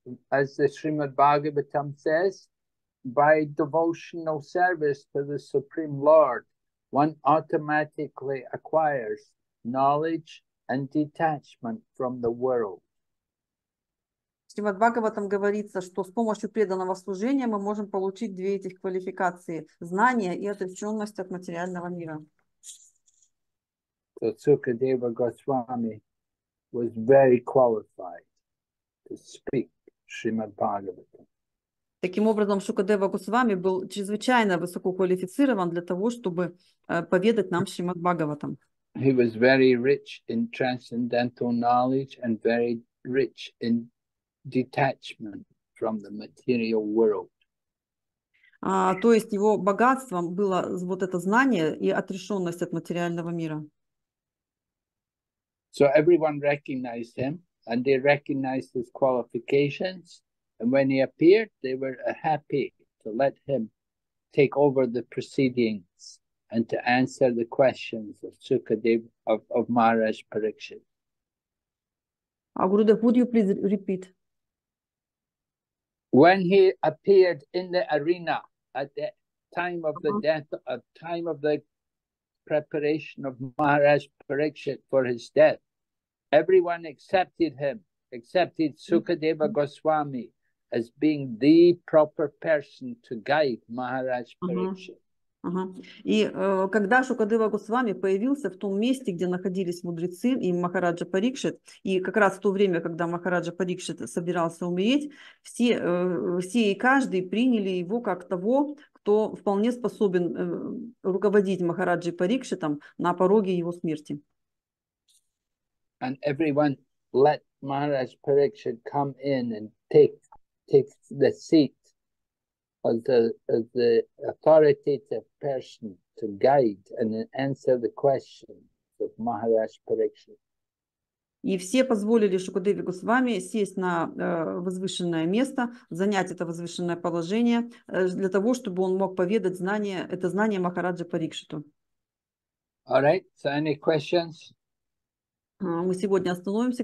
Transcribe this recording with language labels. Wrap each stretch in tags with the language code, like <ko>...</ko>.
<en>As the Srimad Bhagavatam says, by devotional service to the Supreme Lord, one automatically acquires knowledge and detachment from the world.</en> <ru>Шримад Бхагаватам говорится, что с помощью преданного служения мы можем получить две этих квалификации – знания и отреченность от материального мира.</ru> <en>So Sukadeva Goswami was very qualified to speak Srimad Bhagavatam.</en> <ru>Таким образом, Шукадева Госвами был чрезвычайно высококвалифицирован для того, чтобы поведать нам Шримад Бхагаватам.</ru> <en>He was very rich in transcendental knowledge and very rich in detachment from the material world.</en> <ru>То есть его богатством было вот это знание и отрешенность от материального мира.</ru> <en>So everyone recognized him and they recognized his qualifications. And when he appeared, they were happy to let him take over the proceedings and to answer the questions of Sukadev of Maharaj Parikshit. Gurudev, would you please repeat? When he appeared in the arena at the time of the death, at time of the preparation of Maharaj Parikshit for his death, everyone accepted him, accepted Sukadeva Goswami as being the proper person to guide Maharaj Parikshit.</en> <ru>И когда Шукадева Госвами появился в том месте, где находились мудрецы и Махараджа Парикшит, и как раз в то время, когда Махараджа Парикшит собирался умереть, все и каждый приняли его как того, кто вполне способен руководить Махараджей Парикшитом на пороге его смерти.</ru> <en>And everyone let Maharaj Parikshit come in and take the seat as the authoritative person to guide and answer the questions of Maharaj Parikshit.</en> <ru>И все позволили Шукадеве Госвами сесть на возвышенное место, занять это возвышенное положение для того, чтобы он мог поведать знание, это знание Махараджа Парикшиту.</ru> <en>All right, so any questions?</en> <ru>Мы сегодня остановимся.</ru>